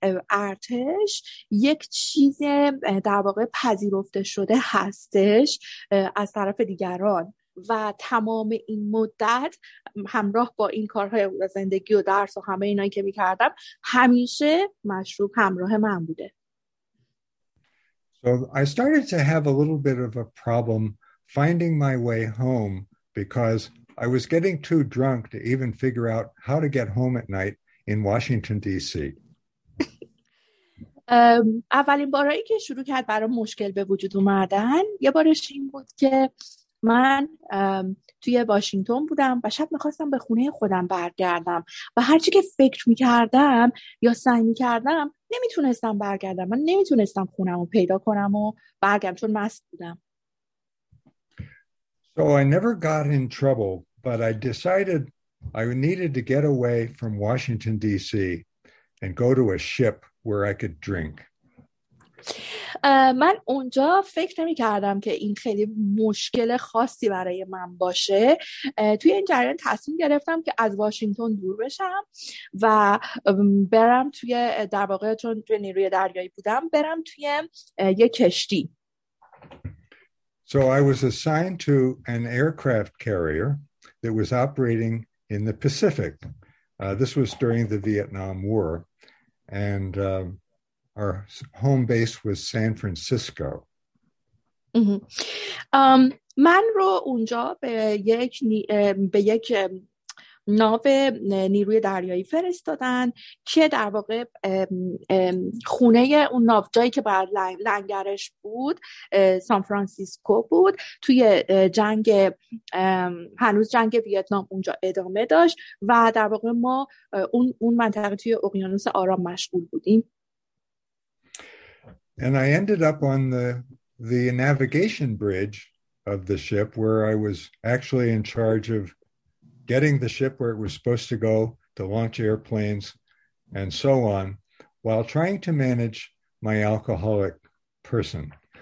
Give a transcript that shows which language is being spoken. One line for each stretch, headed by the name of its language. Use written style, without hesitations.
Persian: ارتش یک چیز در واقع پذیرفته شده هستش از طرف دیگران و تمام این مدت همراه با این کارهای زندگی و درس و همه اینایی که می‌کردم همیشه مشروب همراه من بوده.
English: So I started to have a little bit of a problem finding my way home because I was getting too drunk to even figure out how to get home at night in Washington, D.C.
Persian: اولین بارایی که شروع کرد برای مشکل به وجود اومدن یه بارش این بود که من توی واشنگتن بودم و شب میخواستم به خونه خودم برگردم و هرچی که فکر میکردم یا سعی میکردم نمیتونستم برگردم. من نمیتونستم خونم رو پیدا کنم و برگردم چون مست بودم.
English: So I never got in trouble But I decided I needed to get away from Washington, D.C. and go to a ship where I could drink.
Persian: من اونجا فکر نمی کردم که این خیلی مشکل خاصی برای من باشه. توی این جریان تصمیم گرفتم که از واشنگتن دور بشم و برم توی در واقع چون توی نیروی دریایی بودم برم توی یه کشتی.
English: So I was assigned to an aircraft carrier that was operating in the Pacific. This was during the Vietnam War and our home base was San Francisco.
Persian: من رو اونجا به یک ناو نیروی دریایی فرستادن که در واقع خونه اون ناو جایی که بر لنگرش بود سان فرانسیسکو بود. توی جنگ هنوز جنگ ویتنام اونجا ادامه داشت و در واقع ما اون منطقه توی اقیانوس آرام مشغول بودیم.
English: And I ended up on the navigation bridge of the ship where I was actually in charge of getting the ship where it was supposed to go to launch airplanes and so on while trying to manage my alcoholic person.